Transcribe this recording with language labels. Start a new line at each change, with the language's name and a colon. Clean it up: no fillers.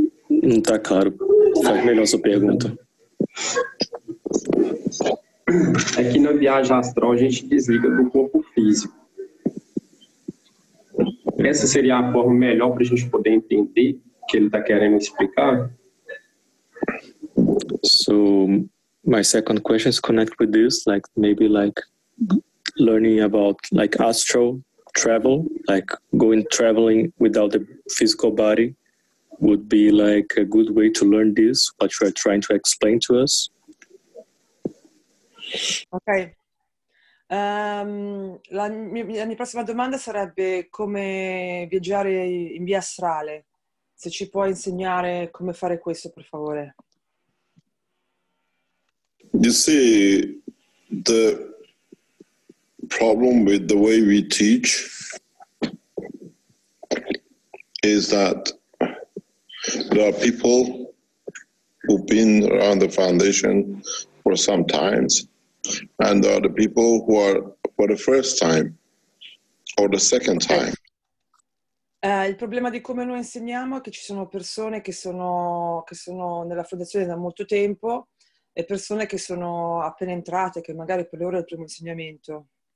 Portuguese: Não tá claro. Faz melhor sua pergunta. É que na viagem astral a gente desliga do corpo físico. Essa seria a forma melhor para a gente poder entender o que ele está querendo explicar?
English: So, my second question is connected with this, like maybe like learning about like astral travel, like going traveling without the physical body would be like a good way to learn this, what you are trying to explain to us. Ok.
Italian: La mia prossima domanda sarebbe come viaggiare in via astrale. Se ci puoi insegnare come fare questo, per favore.
English: You see, the problem with the way we teach is that there are people who've been around the foundation for some time, and there are the people who are for the first time or the second time.
Italian: Il problema di come noi insegniamo è che ci sono persone che sono nella fondazione da molto tempo e persone che sono appena entrate, che magari per loro è il primo insegnamento.